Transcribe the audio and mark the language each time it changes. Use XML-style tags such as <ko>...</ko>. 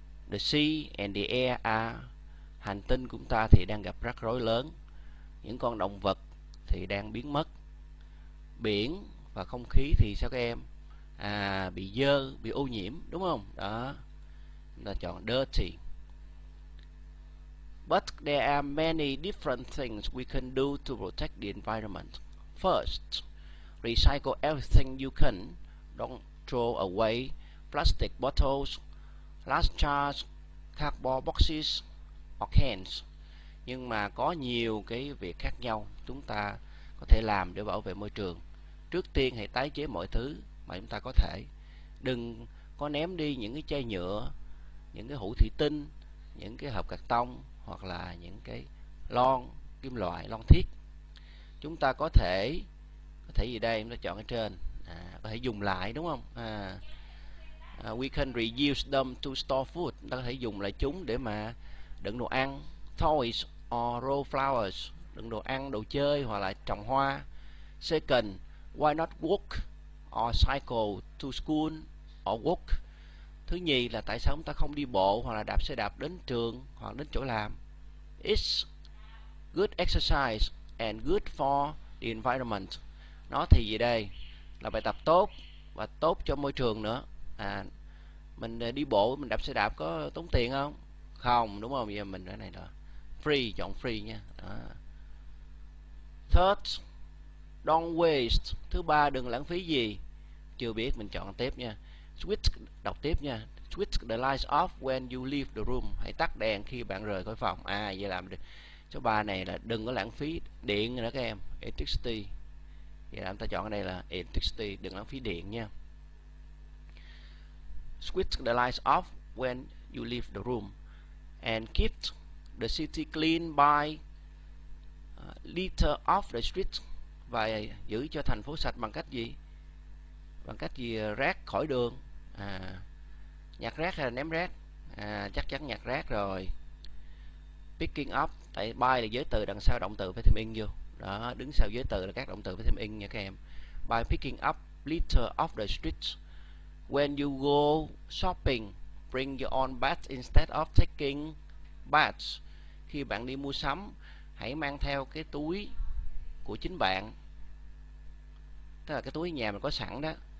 <en>The sea and the air are.</en> <vi>Hành tinh của chúng ta thì đang gặp rắc rối lớn. Những con động vật thì đang biến mất. Biển và không khí thì sao các em? Bị dơ, bị ô nhiễm, đúng không? Đó, chúng ta chọn dirty.</vi> <en>But there are many different things we can do to protect the environment. First, recycle everything you can. Don't throw away plastic bottles, last charge, cardboard boxes, or cans.</en> <vi>Nhưng mà có nhiều cái việc khác nhau chúng ta có thể làm để bảo vệ môi trường. Trước tiên hãy tái chế mọi thứ mà chúng ta có thể. Đừng có ném đi những cái chai nhựa, những cái hũ thủy tinh, những cái hộp cạc tông hoặc là những cái lon kim loại, lon thiết. Chúng ta có thể gì đây, chúng ta chọn ở trên, có thể dùng lại, đúng không?</vi> <en>We can reuse them to store food.</en> <vi>Chúng ta có thể dùng lại chúng để mà đựng đồ ăn,</vi> <en>toys or row flowers,</en> <vi>đựng đồ ăn, đồ chơi hoặc là trồng hoa.</vi> <en>Second, why not walk or cycle to school or work?</en> <vi>Thứ nhì là tại sao chúng ta không đi bộ hoặc là đạp xe đạp đến trường hoặc đến chỗ làm?</vi> <en>It's good exercise and good for the environment.</en> <vi>Nó thì gì đây? Là bài tập tốt và tốt cho môi trường nữa. À, mình đi bộ, mình đạp xe đạp có tốn tiền không? Không, đúng không? Vậy mình cái này là free, chọn free nha. Đó.</vi> <en>Third, don't waste.</en> <vi>Thứ ba, đừng lãng phí gì. Chưa biết, mình chọn tiếp nha. Switch, đọc tiếp nha.</vi> <en>Switch the lights off when you leave the room.</en> <vi>Hãy tắt đèn khi bạn rời khỏi phòng. À, vậy làm được. Số 3 này là đừng có lãng phí điện nữa các em. Electricity. Vậy là chúng ta chọn ở đây là electricity, đừng lãng phí điện nha.</vi> <en>Switch the lights off when you leave the room. And keep the city clean by litter off the street.</en> <vi>Và giữ cho thành phố sạch bằng cách gì? Bằng cách gì? Rác khỏi đường. À, nhặt rác hay là ném rác? À, chắc chắn nhặt rác rồi.</vi> <en>Picking up.</en> <vi>Tại by là giới từ, đằng sau động từ phải thêm in vô. Đó, đứng sau giới từ là các động từ phải thêm in nha các em.</vi> <en>By picking up litter off the street. When you go shopping, bring your own bag instead of taking bags.</en> <vi>Khi bạn đi mua sắm, hãy mang theo cái túi của chính bạn. Tức là cái túi nhà mình có sẵn đó.</vi>